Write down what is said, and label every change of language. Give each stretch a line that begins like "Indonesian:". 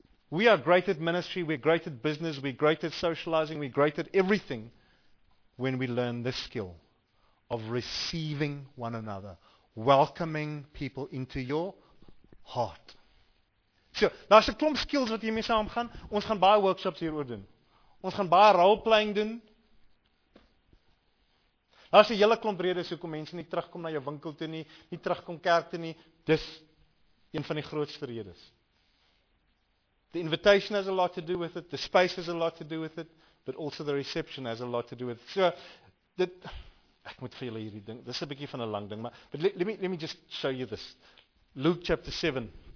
English: We are great at ministry, we're great at business, we're great at socializing, we're great at everything, when we learn this skill, of receiving one another, welcoming people into your heart.
Afrikaans: So, daar is 'n klomp skills wat hiermee saamgaan. Ons gaan baie workshops hieroor doen. Ons gaan baie role-playing doen. Daar is 'n hele klomp redes hoekom mense nie terugkom na jou winkel toe nie, nie terugkom kerk toe nie. Dis een van die grootste redes.
English: The invitation has a lot to do with it. The space has a lot to do with it. But also the reception has a lot to do with it.
Afrikaans: So, dit, ek moet vir julle hierdie ding, dis 'n bietjie van 'n lang ding, maar,
English: but let me just show you this. Luke chapter 7.